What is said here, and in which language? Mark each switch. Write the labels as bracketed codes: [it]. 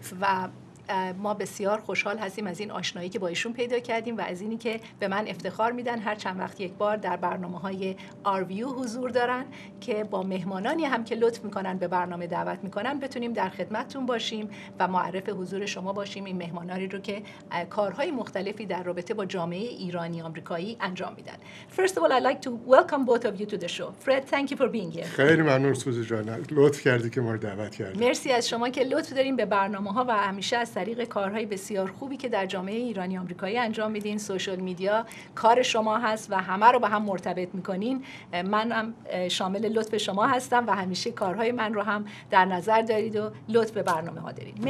[fa] و ما بسیار خوشحال هستیم از این آشنایی که با ایشون پیدا کردیم و از اینی که به من افتخار میدن هر چند وقت یک بار در برنامه‌های آر ویو حضور دارن، که با مهمانانی هم که لطف میکنن به برنامه دعوت میکنن بتونیم در خدمتتون باشیم و معرف حضور شما باشیم این مهمانانی رو که کارهای مختلفی در رابطه با جامعه ایرانی آمریکایی انجام میدن. [en] First of all, I'd like to welcome both of you to the show. Fred, thank you for being here. [fa] خیلی ممنون سوزی جان، لطف کردی که ما رو دعوت کردی. مرسی از شما که لطف دارین به برنامه‌ها و همیشه از طریق کارهای بسیار خوبی که در جامعه ایرانی آمریکایی انجام میدین، سوشال میدیا کار شما هست و همه رو با هم مرتبط میکنین، منم شامل لطف شما هستم و همیشه کارهای من رو هم در نظر دارید و لطف به برنامه ها دارید.